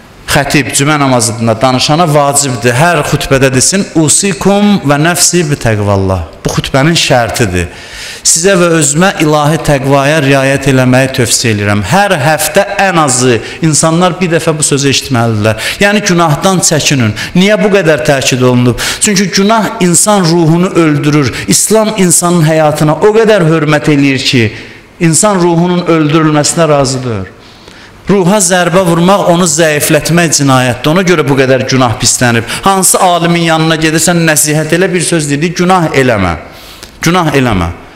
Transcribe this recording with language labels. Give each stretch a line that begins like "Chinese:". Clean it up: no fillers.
Azerbaijani: xətib cümə namazında danışana vacibdir. Hər xütbədə desin,
Arabic: usikum və nəfsi bi təqvallah.
Azerbaijani: Bu xütbənin şərtidir. Sizə və özümə ilahi təqvaya riayət eləməyi tövsiyə edirəm. Hər həftə ən azı insanlar bir dəfə bu sözü eşitməlidirlər. Yəni günahdan çəkinin. Niyə bu qədər təkid olunub? Çünki günah insan ruhunu öldürür. İslam insanın həyatına o qədər hörmət eləyir ki, insan ruhunun öldürülməsinə razıdır. Ruha zərbə vurmaq onu zəiflətmək cinayətdir. Ona görə bu qədər günah pislənib. Hansı alimin yanına gedirsən nəsihət elə bir söz dedi, günah eləmə. Günah eləmə.